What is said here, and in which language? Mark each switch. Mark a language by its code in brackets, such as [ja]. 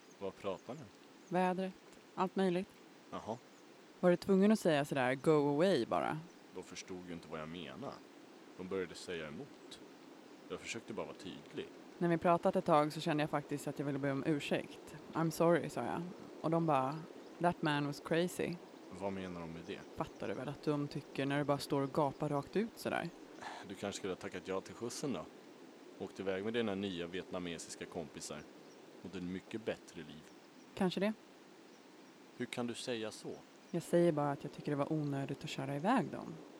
[sv] Vad pratade ni? Vädret. Allt möjligt. Jaha. Var du tvungen att säga sådär [en] go away [sv] bara? De förstod ju inte vad jag menade. De började säga emot. Jag försökte bara vara tydlig. När vi pratat ett tag så kände jag faktiskt att jag ville be om ursäkt. [en] I'm sorry, [sv] sa jag. Och de bara, [en] that man was crazy. [sv] Vad menar de med det? Fattar du väl att de tycker när du bara står och gapar rakt ut sådär? Du kanske skulle ha tackat ja till skjutsen då. Åkt iväg med dina nya vietnamesiska kompisar. Mot ett mycket bättre liv. Kanske det. Hur kan du säga så? Jag säger bara att jag tycker det var onödigt att köra iväg dem.